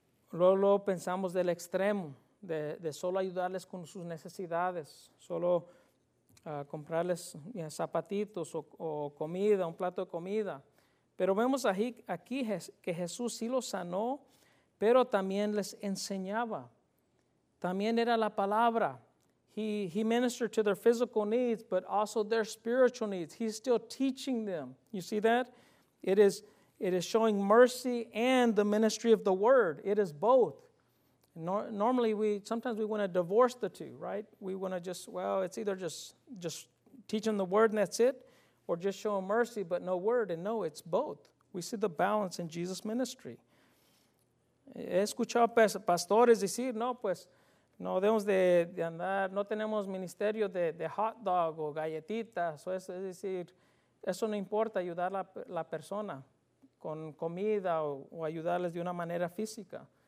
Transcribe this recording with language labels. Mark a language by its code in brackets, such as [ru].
[es] Luego pensamos del extremo, de solo ayudarles con sus necesidades, solo comprarles zapatitos o comida, un plato de comida. Pero vemos aquí que Jesús sí los sanó, pero también les enseñaba. También era la palabra. [en] He ministered to their physical needs, but also their spiritual needs. He's still teaching them. You see that? It is showing mercy and the ministry of the word. It is both. Normally, sometimes we want to divorce the two, right? We want to it's either just teach them the word and that's it, or just show them mercy but no word. And no, it's both. We see the balance in Jesus' ministry. [es] He escuchado pastores decir, no, pues, no debemos de andar, no tenemos ministerio de hot dog o galletitas, o eso, es decir, eso no importa, ayudar a la persona con comida o ayudarles de una manera física.